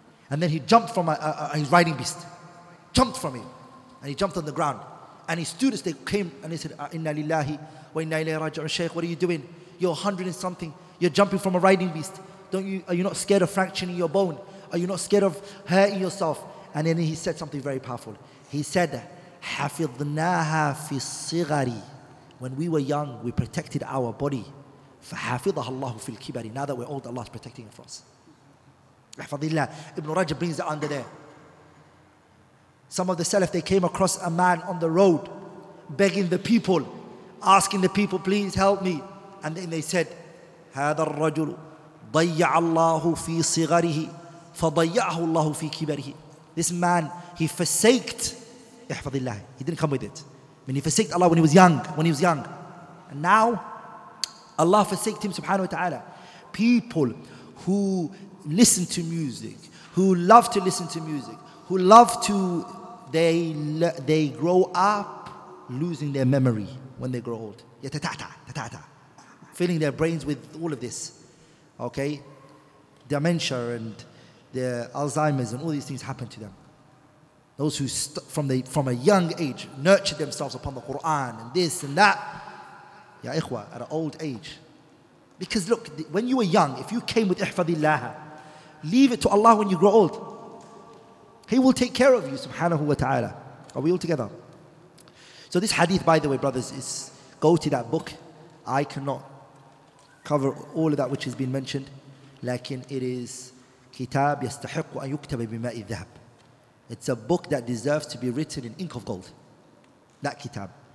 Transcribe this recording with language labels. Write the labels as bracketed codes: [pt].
[en] And then he jumped from his riding beast. Jumped from it. And he jumped on the ground. And his students, they came and they said, Inna lillahi wa inna ilayhi raji'un. Shaykh, what are you doing? You're 100 and something. You're jumping from a riding beast. Are you not scared of fracturing your bone? Are you not scared of hurting yourself? And then he said something very powerful. [ar] He said, حَفِظْنَاهَا فِي الصِّغَرِ. [en] When we were young, we protected our body. [ar] فَحَافِظَهَا اللَّهُ فِي الْكِبَرِ. [en] Now that we're old, Allah is protecting it for us. Ibn Rajab brings it under there. Some of the Salaf, they came across a man on the road, begging the people, asking the people, please help me. [ar] And then they said, هَذَا الرَّجُلُ ضَيَّعَ اللَّهُ فِي صِغَرِهِ فَضَيَّعَهُ اللَّهُ فِي كِبَرِهِ. [en] This man, he forsaked [ar] احفظ الله. [en] He didn't come with it. I mean, he forsaked Allah when he was young. And now, Allah forsaked him, subhanahu wa ta'ala. People who listen to music, who love to listen to music, who love to, they grow up losing their memory when they grow old. Yatata, filling their brains with all of this. Okay? Dementia and the Alzheimer's and all these things happen to them. Those who from a young age nurtured themselves upon the Quran and this and that. Ya ikhwa, at an old age. Because look, when you were young, if you came with ihfadillaha, leave it to Allah when you grow old. He will take care of you, subhanahu wa ta'ala. Are we all together? So this hadith, by the way, brothers, is go to that book. I cannot cover all of that which has been mentioned. [ar] Lakin [en] it is [ar] كتاب يستحق أن يكتب بماء الذهب. [en] It's a book that deserves to be written in ink of gold. That kitab.